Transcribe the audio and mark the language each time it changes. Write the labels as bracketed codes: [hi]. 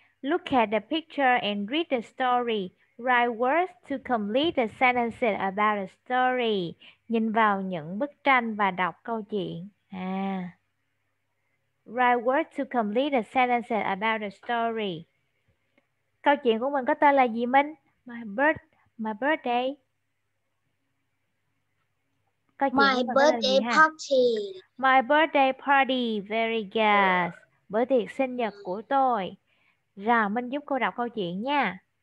[en] Look at the picture and read the story. Write words to complete the sentences about the story. [vi] Nhìn vào những bức tranh và đọc câu chuyện. À. [en] Write words to complete the sentences about the story. [vi] Câu chuyện của mình có tên là gì Minh? [en] My birthday. My birthday party. My birthday party. [vi] Very good. Bữa tiệc sinh nhật của tôi. Rồi Minh giúp cô đọc câu chuyện nha.